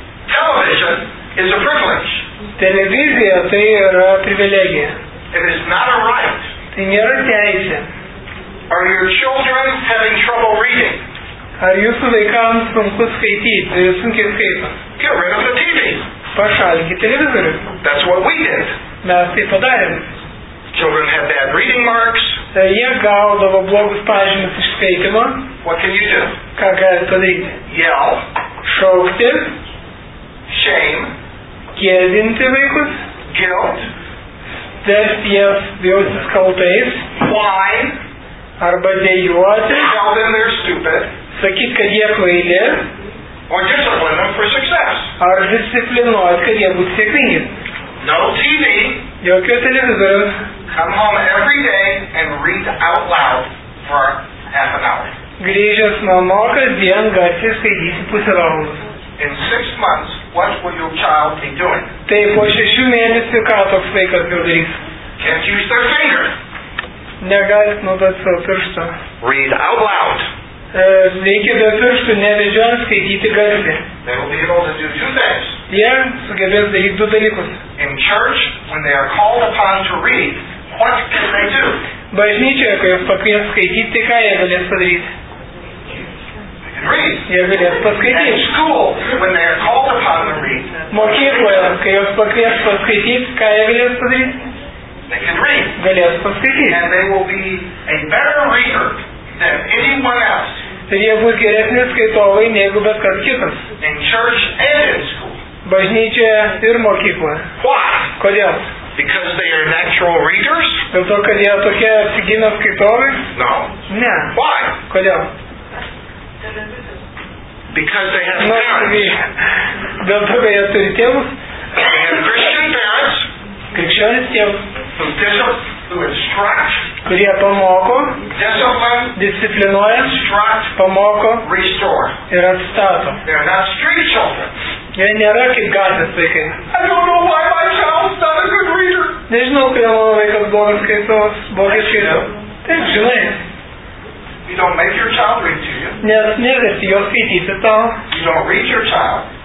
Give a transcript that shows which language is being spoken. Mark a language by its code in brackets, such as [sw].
[en] Television is a privilege. [lt] Televizija tai yra privilegija. [en] It is not a right. [lt] Tai nėra teisė. [en] Are your children having trouble reading? [lt] Ar jūsų vaikams sunku skaityti? Sunkiai skaito. [en] Get rid of the TV. [lt] Pašalinkit televizorių. [en] That's what we did. [lt] Mes tai padarėm. [en] Children have bad reading marks. [lt] Jie gaudavo blogus pažymus iš skaitimo. [en] What can you do? [lt] Ką galite padaryti? [en] Yell. [lt] Šaukti. [en] Shame. [lt] Gėdinti vaikus. [en] Guilt. [lt] Vesti jas jaustis kaltais. [en] Whine. [lt] Arba dejuoti. [en] Tell them they're stupid. [lt] Sakyt, kad jie kvaili. [en] Or discipline them for success. [lt] Ar disciplinuoti, kad jie būtų sėkmingi. [en] No TV. [lt] Jokio televizoriaus. [en] Come home every day and read out loud for half an hour. [lt] Grįžęs namo, kasdien garsiai skaitysi pusę valandos. [en] In 6 months, what will your child be doing? [lt] Tai po 6 mėnesių ką toks vaikas jau darys? [en] Can't use their finger. [lt] Negalit naudoti savo pirštą. [en] Read out loud. [lt] Reikia be pirštų nevežiuojant skaityti garsiai. [en] They will be able to do 2 things. [lt] Jie sugebės daryti 2 dalykus. [en] In church, when they are called upon to read, what can they do? [lt] Bažnyčioje, kai jūs pakvies skaityti, ką jie galės padaryti? [en] read. And in school, when they are called upon to read, [lt] mokykloje, kai jos pakvies paskaityti, ką jie galės padaryti? [en] They can read. [lt] Galės paskaityti. [en] And they will be a better reader than anyone else. [lt] Tai jie bus geresni skaitovai negu bet kas kitas. [en] In church and in school. [lt] Bažnyčioje ir mokykloje. [en] Why? [lt] Kodėl? [en] Because they are natural readers? [lt] Dėl to, kad jie tokie atsigino skaitovai? [en] No. [lt] Ne. [en] Why? [lt] Kodėl? [en] Because they have parents. [lt] Dėl to, kad jie turi tėvus? [en] They have Christian parents. [lt] Krikščionis tėvus. Kurie pamoko, [en] discipline, [lt] disciplinuoja, [en] instruct, [lt] pamoko, [en] restore. [lt] Ir atstato. [en] They are not street children. [lt] Jie nėra kaip gatvės vaikai. [en] I don't know why my child's not a good reader. [lt] Nežinau, kodėl mano vaikas blogas skaitovas. Blogas skaitovas. Taip, žinai. [en] You don't make your child read to you. [lt] Nes neversi jo skaityti tau. [en] You don't read your child.